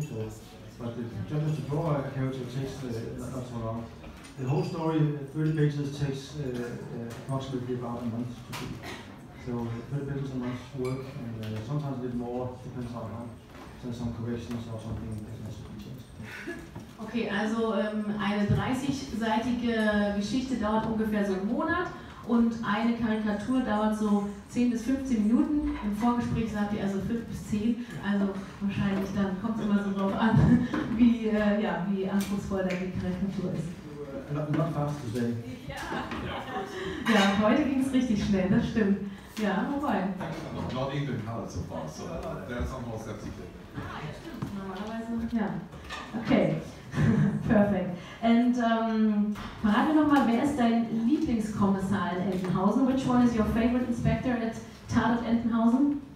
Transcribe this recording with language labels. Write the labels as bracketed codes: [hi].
[en] So, but just to draw a character takes not so long. The whole story, 30 pages, takes approximately about a month to do. So 30 pages a month's work, and sometimes a bit more, depends on how. Send some corrections or something that has to be changed. [de] Okay, also eine 30-seitige Geschichte dauert ungefähr so einen Monat und eine Karikatur dauert so 10 bis 15 Minuten. Im Vorgespräch sagt ihr also 5 bis 10. Also wahrscheinlich dann kommt es immer so drauf an, wie anspruchsvoll die Karikatur ist. [en] Not fast to say. [de] Ja, heute ging es richtig schnell, das stimmt. Ja, wobei. [en] Not even color so far, so there is almost that secret. [de] Ah, ja, stimmt. Normalerweise, ja. Okay. Perfect. And verrat mir nochmal, wer ist dein Lieblingskommissar in Entenhausen? [en] Which one is your favorite inspector at Tatort Entenhausen?